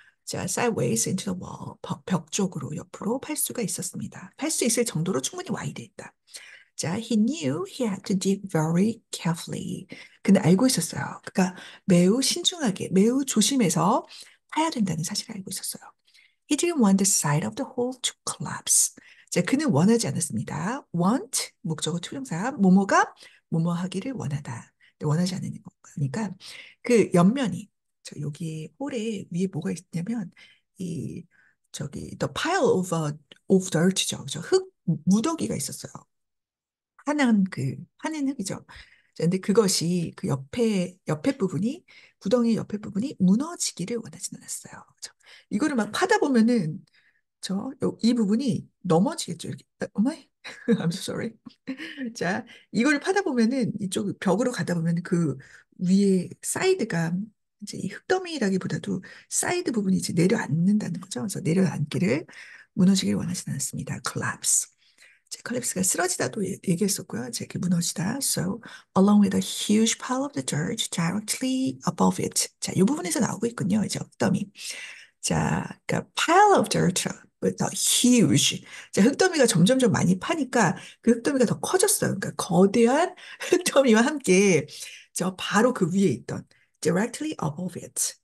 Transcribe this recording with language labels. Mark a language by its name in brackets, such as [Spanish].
[English] 자, sideways into the wall. [Korean] 벽 쪽으로 옆으로 팔 수가 있었습니다. 팔수 있을 정도로 충분히 와이드했다. [English] 자, he knew he had to dig very carefully. [Korean] 근데 알고 있었어요. 그러니까 매우 신중하게, 매우 조심해서 파야 된다는 사실을 알고 있었어요. [English] He didn't want the side of the hole to collapse. [Korean] 자, 그는 원하지 않았습니다. Want, 목적어 투명사, 뭐뭐가 뭐뭐 하기를 원하다. 원하지 않는 거니까 그 옆면이, 저 여기 홀에 위에 뭐가 있냐면 이 저기 [English] the pile of dirt [Korean] 죠. 저흙 무더기가 있었어요. 하는 흙이죠. 근데 그것이 그 옆에 부분이 구덩이 옆에 부분이 무너지기를 원하지는 않았어요. 그렇죠? 이거를 막 파다 보면은 이 부분이 넘어지겠죠. [English] 이렇게. Oh my, I'm so sorry. [Korean] 자, 이걸 파다 보면은 이쪽 벽으로 가다 보면 그 위에 사이드가 이제 이 흙더미라기보다도 사이드 부분이 이제 내려앉는다는 거죠. 그래서 내려앉기를 무너지기를 원하지는 않습니다. [English] Collapse. [Korean] 클립스가 쓰러지다도 얘기했었고요. 이렇게 무너지다. [English] So, along with a huge pile of the dirt directly above it. [Korean] 자, 이 부분에서 나오고 있군요. 이제 흙더미. 자, 그러니까 [English] pile of dirt with a huge. [Korean] 자, 흙더미가 점점점 많이 파니까 그 흙더미가 더 커졌어요. 그러니까 거대한 흙더미와 함께 저 바로 그 위에 있던 [English] directly above it.